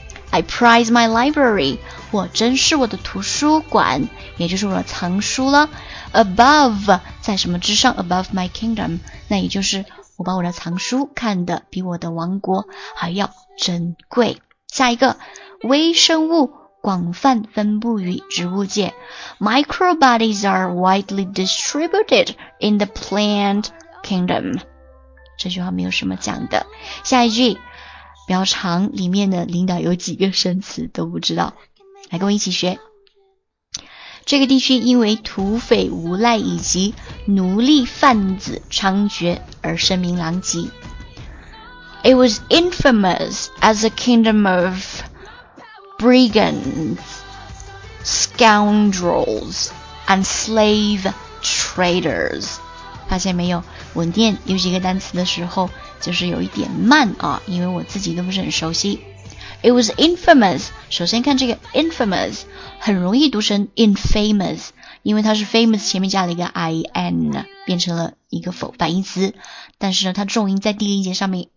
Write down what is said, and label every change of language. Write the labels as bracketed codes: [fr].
[en] I prize my library， [zh] 我珍视我的图书馆，也就是我的藏书了。 Above， 在什么之上 ？ [en] Above my kingdom， [zh] 那也就是我把我的藏书看得比我的王国还要珍贵。下一个，微生物广泛分布于植物界。 [en] Microbodies are widely distributed in the plant kingdom。 [zh] 这句话没有什么讲的。下一句。比较长，里面的领导有几个生词都不知道，来跟我一起学。这个地区因为土匪无赖以及奴隶贩子猖獗而声名狼藉。 [en] It was infamous as a kingdom of brigands, scoundrels, and slave traders。 [zh] 发现没有，稳定有几个单词的时候就是有一点慢啊，因为我自己都不是很熟悉。 [en] It was infamous， [zh] 首先看这个 infamous 很容易读成 infamous， 因为它是 famous 前面加了一个 in， 变成了一个否反义词，但是呢它重音在第一音节上面。